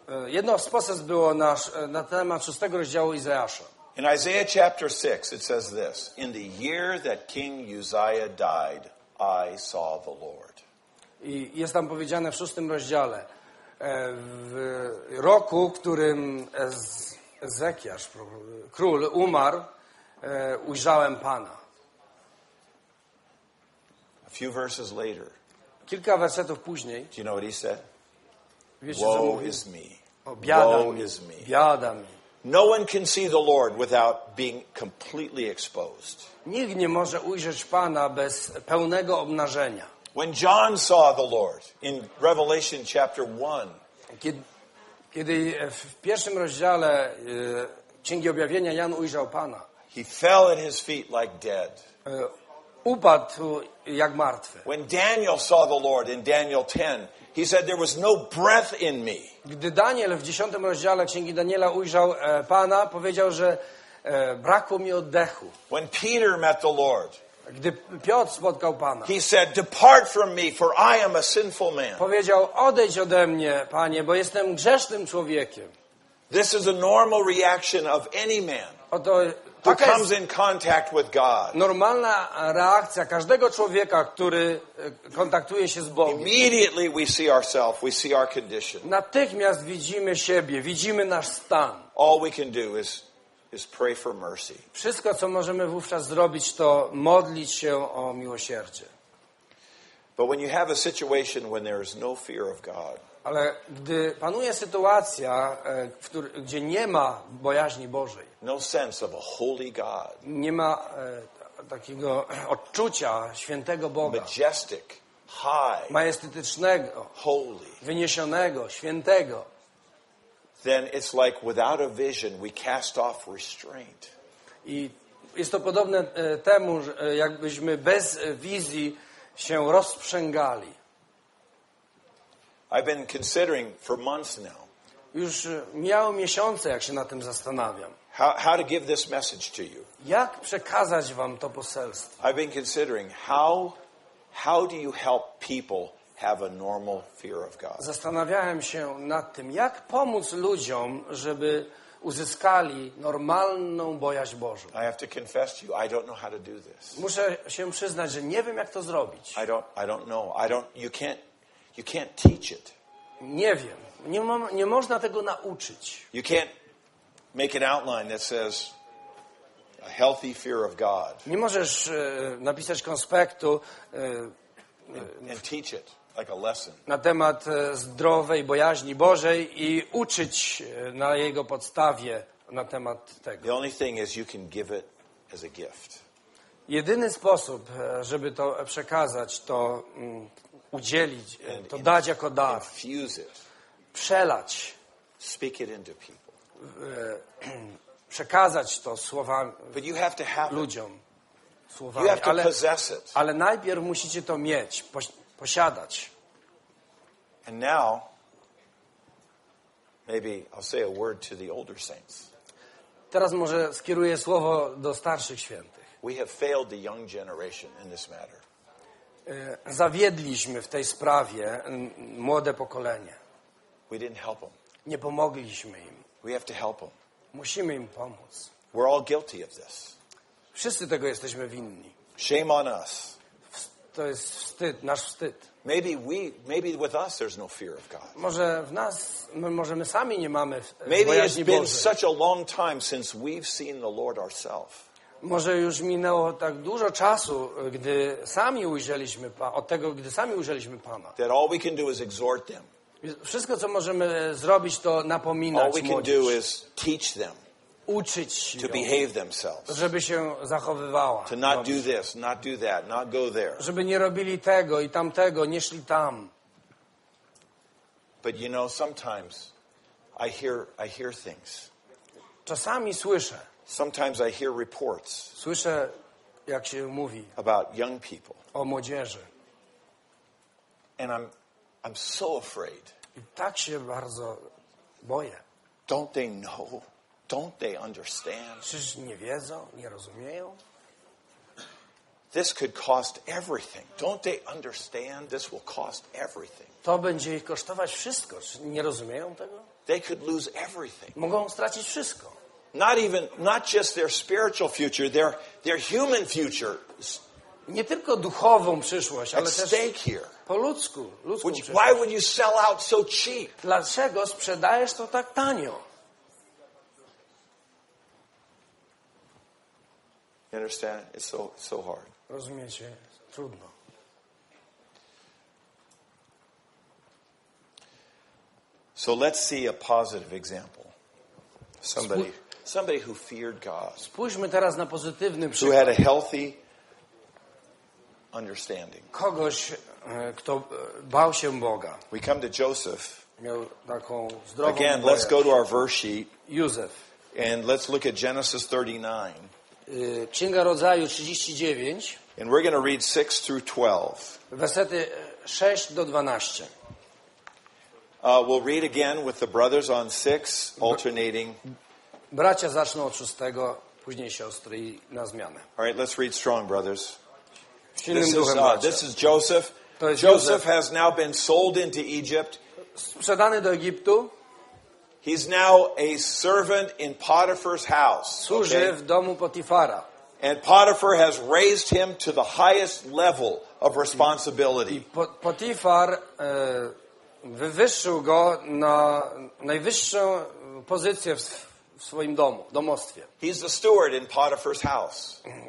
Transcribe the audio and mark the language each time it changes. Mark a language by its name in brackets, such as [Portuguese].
[Polish] Jedno z poselstw było na temat 6 rozdziału Izajasza. [English] In Isaiah chapter 6 it says this, in the year that King Uzziah died, I saw the Lord. [Polish] I jest tam powiedziane w 6 rozdziale w roku, w którym Ezekiasz, król, umarł, ujrzałem Pana. [English] A few verses later. [Polish] Kilka wersetów później. [English] Do you know what he said? [Polish] Wiecie, [English] woe [Polish] co [English] is me. [Polish] O, biada [English] woe [Polish] mi. [English] Is me. [Polish] Biada mi. [English] No one can see the Lord without being completely exposed. [Polish] Nikt nie może ujrzeć Pana bez pełnego obnażenia. [English] When John saw the Lord in Revelation chapter 1. [Polish] Kiedy w pierwszym rozdziale Księgi Objawienia Jan ujrzał Pana. [English] He fell at his feet like dead. [Polish] Upadł jak martwy. [English] When Daniel saw the Lord in Daniel 10, he said there was no breath in me. [Polish] Gdy Daniel w 10 rozdziale Księgi Daniela ujrzał Pana, powiedział, że brakło mi oddechu. [English] When Peter met the Lord, [Polish] gdy Piotr spotkał Pana, [English] he said, "Depart from me, for I am a sinful man." [Polish] Powiedział, odejdź ode mnie, Panie, bo jestem grzesznym człowiekiem. [English] This is a normal reaction of any man who comes in contact with God. [Polish] Normalna reakcja każdego człowieka, który kontaktuje się z Bogiem. [English] Immediately we see ourselves, we see our condition. [Polish] Natychmiast widzimy siebie, widzimy nasz stan. [English] All we can do is pray for mercy. [Polish] Wszystko, co możemy wówczas zrobić, to modlić się o miłosierdzie. [English] But when you have a situation when there is no fear of God, [Polish] ale gdy panuje sytuacja, gdzie nie ma bojaźni Bożej, [English] no sense of a holy God, [Polish] nie ma takiego odczucia świętego Boga, [English] majestic, high, [Polish] majestatycznego, [English] holy, [Polish] wyniesionego, świętego, [English] then it's like without a vision we cast off restraint. [Polish] I jest to podobne temu, jakbyśmy bez wizji się rozprzęgali. [English] I've been considering for months now. [Polish] Już miało miesiące, jak się na tym zastanawiam. [English] How to give this message to you? [Polish] Jak przekazać wam to poselstwo? [English] I've been considering how do you help people have a normal fear of God. [Polish] Zastanawiałem się nad tym, jak pomóc ludziom, żeby uzyskali normalną bojaźń Bożą. [English] I have to confess to you, I don't know how to do this. [Polish] Muszę się przyznać, że nie wiem, jak to zrobić. [English] I don't know. You can't teach it. [Polish] Nie wiem. Nie można tego nauczyć. [English] You can't make an outline that says a healthy fear of God. [Polish] Nie możesz napisać konspektu [English] and teach it like a lesson. [Polish] Na temat zdrowej bojaźni Bożej i uczyć na jego podstawie na temat tego. [English] The only thing is you can give it as a gift. [Polish] Jedyny sposób, żeby to przekazać, to udzielić, to dać jako dar. [English] Infuse it. [Polish] Przelać. [English] Speak it into people. [Polish] Przekazać to słowami ludziom. Słowami, [English] you have to possess it. [Polish] Ale najpierw musicie to mieć, posiadać. [English] And now, maybe I'll say a word to the older saints. [Polish] Teraz może skieruję słowo do starszych świętych. [English] We have failed the young generation in this matter. [Polish] Zawiedliśmy w tej sprawie młode pokolenie. [English] We didn't help them. [Polish] Nie pomogliśmy im. [English] We have to help them. [Polish] Musimy im pomóc. [English] We're all guilty of this. [Polish] Wszyscy tego jesteśmy winni. [English] Shame on us. [Polish] To jest wstyd, nasz wstyd. [English] Maybe with us there's no fear of God. [Polish] Może w nas, może my sami nie mamy bojaźni Bożej. [English] Maybe it's been such a long time since we've seen the Lord ourselves. [Polish] Może już minęło tak dużo czasu, gdy sami ujrzeliśmy od tego, gdy sami ujrzeliśmy Pana. [English] That all we can do is exhort them. [Polish] Wszystko, co możemy zrobić, to napominać młodzież. [English] All we can do is teach them. [Polish] Uczyć to ją, [English] behave themselves, [Polish] żeby się zachowywała. [English] To not do this, not do that, not go there. [Polish] Żeby nie robili tego i tamtego, nie szli tam. [English] But you know, sometimes I hear things. [Polish] Czasami słyszę. [English] Sometimes I hear reports. [Polish] Słyszę, jak się mówi. [English] About young people. [Polish] O młodzieży. [English] And I'm so afraid. [Polish] I tak się bardzo boję. [English] Don't they know? Don't they understand? [Polish] Czyż nie wiedzą, nie rozumieją? [English] This could cost everything. Don't they understand? This will cost everything. [Polish] To będzie ich kosztować wszystko. Czy nie rozumieją tego? [English] They could lose everything. [Polish] Mogą stracić wszystko. [English] Not just their spiritual future, their human future. [Polish] Nie tylko duchową przyszłość, ale [English] at stake here. [Polish] Po ludzką przyszłość. [English] Why would you sell out so cheap? [Polish] Dlaczego sprzedajesz to tak tanio? [English] You understand? It's so hard. [Polish] Rozumiecie? Trudno. [English] So let's see a positive example. Somebody who feared God. [Polish] Spójrzmy teraz na pozytywny przykład. [English] Who had a healthy understanding. [Polish] Kogoś, kto bał się Boga. [English] We come to Joseph. [Polish] Miał taką zdrową [English] Again, let's go to our verse sheet. [Polish] Józef. [English] And let's look at Genesis 39. [Polish] Księga Rodzaju 39. [English] And we're going to read 6 through 12. [Polish] Wersety 6 do 12. [English] We'll read again with the brothers on 6, alternating. [Polish] Bracia zaczną od 6, później siostry i na zmianę. [English] All right, let's read strong, brothers. This is Joseph. Joseph has now been sold into Egypt. [Polish] Sprzedany do Egiptu. [English] He's now a servant in Potiphar's house. [Polish] Służy w domu Potifara. [English] And Potiphar has raised him to the highest level of responsibility. [Polish] Potifar wywyższył go na najwyższą pozycję w swoim domu, w domostwie. [English] He's the steward in Potiphar's house.